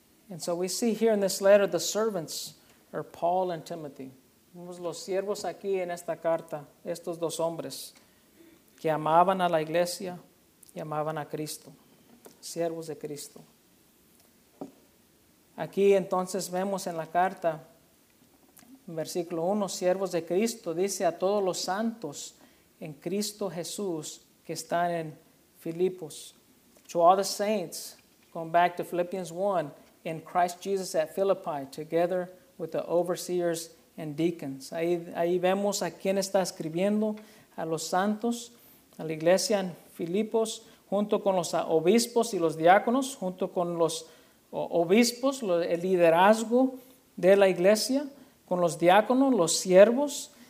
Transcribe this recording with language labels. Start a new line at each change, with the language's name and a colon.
English: And so we see here in this letter, the servants are Paul and Timothy.
Spanish: Vemos los siervos aquí en esta carta, estos dos hombres que amaban a la iglesia y amaban a Cristo, siervos de Cristo. Aquí entonces vemos en la carta, versículo 1, siervos de Cristo, dice a todos los santos en Cristo Jesús que están en Filipos.
English: To all the saints, going back to Philippians 1, in Christ Jesus at Philippi, together with the overseers and deacons.
Spanish: Ahí vemos a quién está escribiendo, a los santos, a la iglesia en Filipos, junto con los obispos y los diáconos, junto con los obispos, el liderazgo de la iglesia, con los diáconos, los siervos.